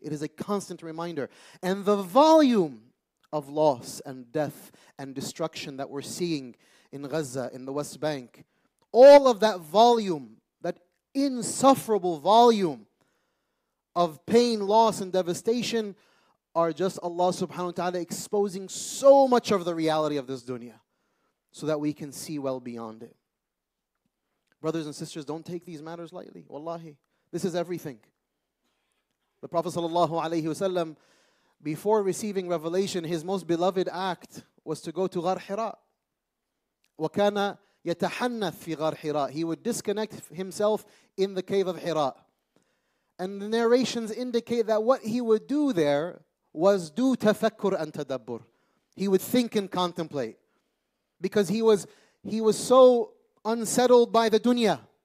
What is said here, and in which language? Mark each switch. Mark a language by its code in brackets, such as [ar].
[en] It is a constant reminder. And the volume of loss and death and destruction that we're seeing in Gaza, in the West Bank, all of that volume, that insufferable volume of pain, loss, and devastation are just Allah subhanahu wa ta'ala exposing so much of the reality of this dunya so that we can see well beyond it. Brothers and sisters, don't take these matters lightly. Wallahi, this is everything. The Prophet sallallahu alayhi wasallam, before receiving revelation, his most beloved act was to go to Ghar Hira. [ar] وَكَانَ يَتَحَنَّثْ فِي غَرْ Hira. [en] He would disconnect himself in the cave of Hira. And the narrations indicate that what he would do there was do tafakkur and tadabbur. He would think and contemplate. Because he was so unsettled by the dunya.